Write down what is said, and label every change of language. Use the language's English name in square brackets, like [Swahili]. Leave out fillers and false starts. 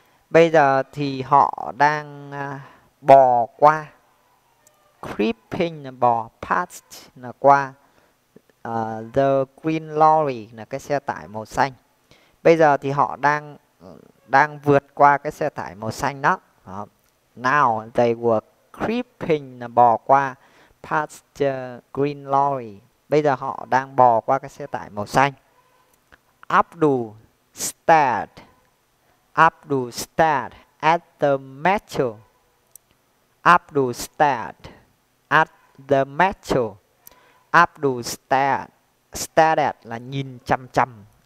[Vietnamese] Bây giờ thì họ đang bò qua. [English] Creeping [Vietnamese] là bò, [English] past [Vietnamese] là qua. [English] The green lorry [Vietnamese] là cái xe tải màu xanh. Bây giờ thì họ đang đang vượt qua cái xe tải màu xanh đó. Đó. [English] Now they were creeping [Vietnamese] là bò qua, [English] past the green lorry. [Vietnamese] Bây giờ họ đang bò qua cái xe tải màu xanh. [English] Abdul stared. Abdul stared at the metal. Abdul stared at the metal. [Vietnamese] Abdul [English] stared [Vietnamese] là nhìn chằm chằm.